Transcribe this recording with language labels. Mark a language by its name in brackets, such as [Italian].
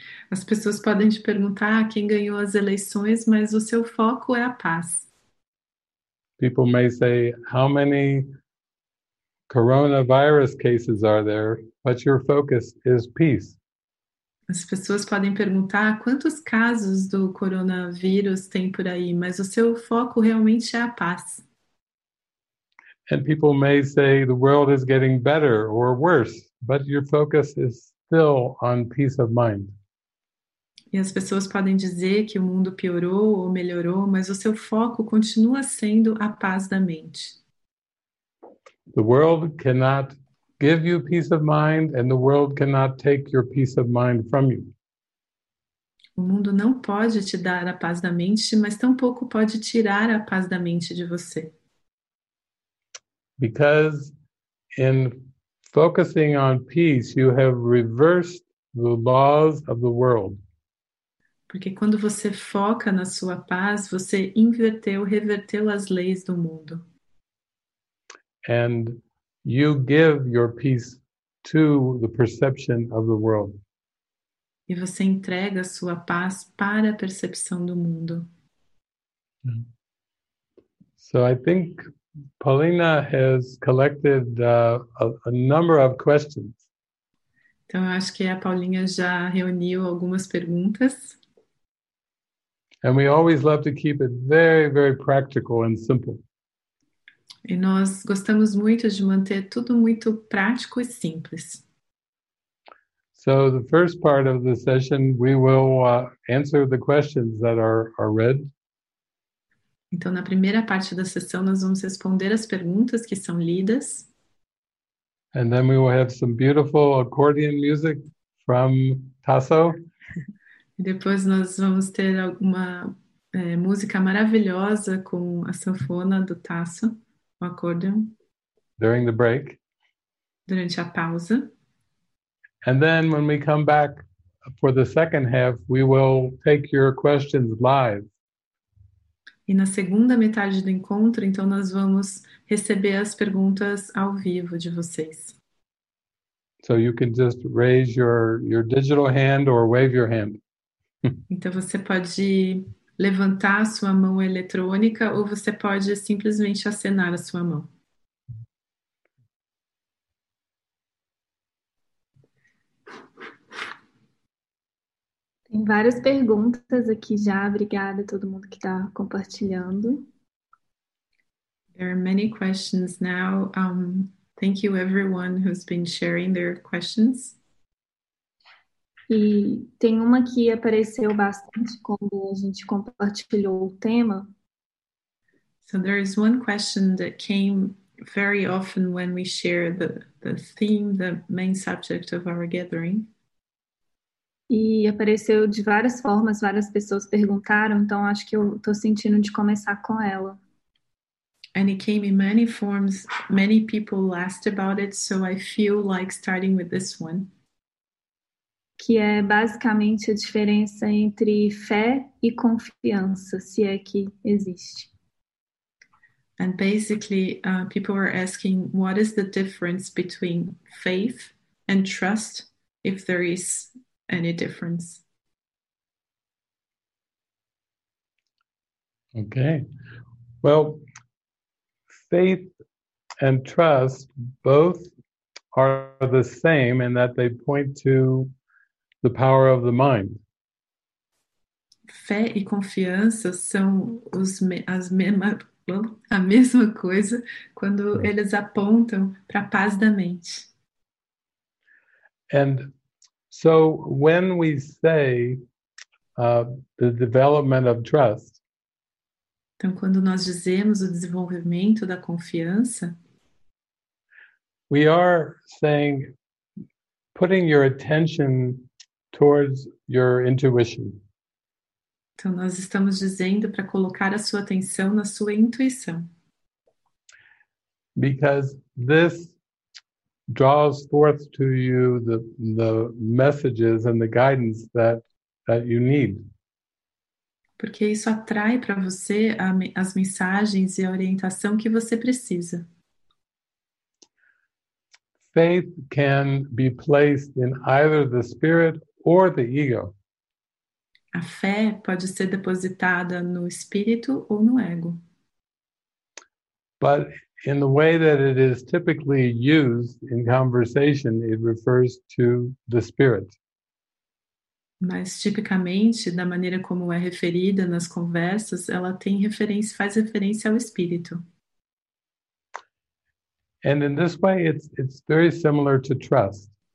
[Portuguese] As pessoas podem te perguntar quem ganhou as eleições, mas o seu foco é a paz. [English] People may say, how many coronavirus cases are there? But your focus is peace. [Portuguese] As pessoas podem perguntar quantos casos do coronavírus tem por aí, mas o seu foco realmente é a paz. [English] And people may say the world is getting better or worse, but your focus is still on peace of mind. [Portuguese] E as pessoas podem dizer que o mundo piorou ou melhorou, mas o seu foco continua sendo a paz da mente. [English] The world cannot give you peace of mind, and the world cannot take your peace of mind from you. [Portuguese] O mundo não pode te dar a paz da mente, mas tampouco pode tirar a paz da mente de você. [English] Because in focusing on peace, you have reversed the laws of the world. [Portuguese] Porque quando você foca na sua paz, você inverteu, reverteu as leis do mundo. [English] And you give your peace to the perception of the world. [Portuguese] E você entrega a sua paz para a percepção do mundo. [English] So I think Paulina has collected a number of questions. [Portuguese] Então, eu acho que a Paulinha já reuniu algumas perguntas. [English] And we always love to keep it very, very practical and simple. [Portuguese] E nós gostamos muito de manter tudo muito prático e simples. [English] So the first part of the session, we will answer the questions that are read. [Portuguese] Então, na primeira parte da sessão, nós vamos responder as perguntas que são lidas. [English] And then we will have some beautiful accordion music from Tasso. [Portuguese] E depois nós vamos ter uma música maravilhosa com a sanfona do Tasso. O acordeon. [English] During the break. [Portuguese] Durante a pausa. [English] And then when we come back for the second half, we will take your questions live. [Portuguese] E na segunda metade do encontro, então nós vamos receber as perguntas ao vivo de vocês. [English] So you can just raise your digital hand or wave your hand. [Portuguese] Então você pode levantar a sua mão eletrônica ou você pode simplesmente acenar a sua mão. Tem várias perguntas aqui já. Obrigada a todo mundo que está compartilhando. [English] There are many questions now. Thank you everyone who's been sharing their questions. [Portuguese] E tem uma que apareceu bastante quando a gente compartilhou o tema. [English] So there is one question that came very often when we share the theme, the main subject of our gathering. [Portuguese] E apareceu de várias formas, várias pessoas perguntaram, então acho que eu estou sentindo de começar com ela. [English] And it came in many forms, many people asked about it, so I feel like starting with this one. [Portuguese] Que é basicamente a diferença entre fé e confiança, se é que existe. [English] And basically, people are asking what is the difference between faith and trust, if there is any difference. Okay. Well, faith and trust both are the same in that they point to the power of the mind. [Portuguese] Fé e confiança são a mesma coisa quando eles apontam para a paz da mente. [English] And so when we say the development of trust, [Portuguese] então quando nós dizemos o desenvolvimento da confiança, [English] we are saying putting your attention towards your intuition. [Portuguese] Então nós estamos dizendo para colocar a sua atenção na sua intuição. [English] Because this draws forth to you the messages and the guidance that you need. [Portuguese] Porque isso atrai para você as mensagens e a orientação que você precisa. [English] Faith can be placed in either the spirit or the ego. [Portuguese] A fé pode ser depositada no espírito ou no ego. [English] But in the way that it is typically used in conversation, it refers to the spirit. [Portuguese] Mas tipicamente, da maneira como é referida nas conversas, ela tem referência, faz referência ao espírito. [English] And in this way, it's very similar to trust.